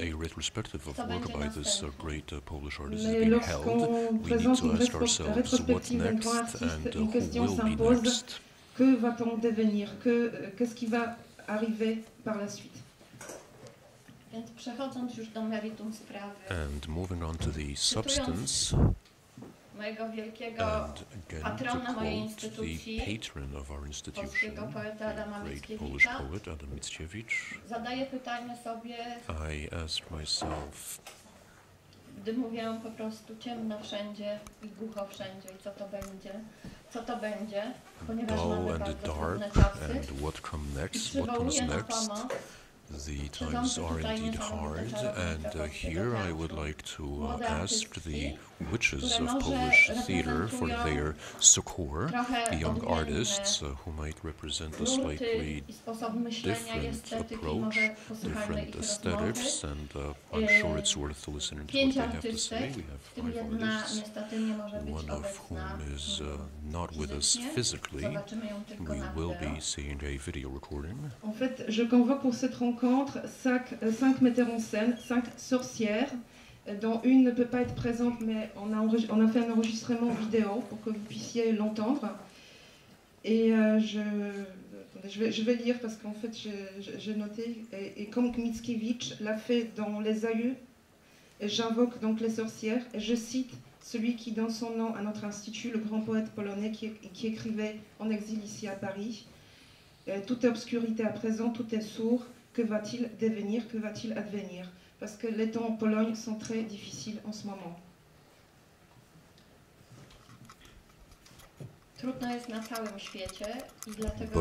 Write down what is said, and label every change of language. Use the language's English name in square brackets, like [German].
[English] a retrospective of work by this great Polish artist is being held, we need to ask ourselves what next and who will be next. [French] Que va-t-on devenir? Qu'est-ce qui va arriver par la suite? [Polish] Więc przechodząc już do meritum sprawy. [English] And moving on to the substance. And again, to quote the patron of our institution, the great Polish poet Adam Mickiewicz, I ask myself, dull and dark, and what comes next, what comes next? The times are indeed hard, and here I would like to ask the witches of Polish theater for their succor, young artists who might represent a slightly different approach, different aesthetics, and I'm sure it's worth listening to what they have to say. We have five artists, one of whom is not with us physically. We will be seeing a video recording. [French] Cinq metteurs en scène, cinq sorcières, dont une ne peut pas être présente, mais on a fait un enregistrement vidéo pour que vous puissiez l'entendre. Et je vais lire parce qu'en fait, j'ai noté, et comme Mickiewicz l'a fait dans Les Aïeux, j'invoque donc les sorcières, et je cite celui qui donne son nom à notre institut, le grand poète polonais qui écrivait en exil ici à Paris. Tout est obscurité à présent, tout est sourd. Que va-t-il devenir? Que va-t-il advenir? Parce que les temps en Pologne sont très difficiles en ce moment. [Polish] trudno jest na całym świecie i dlatego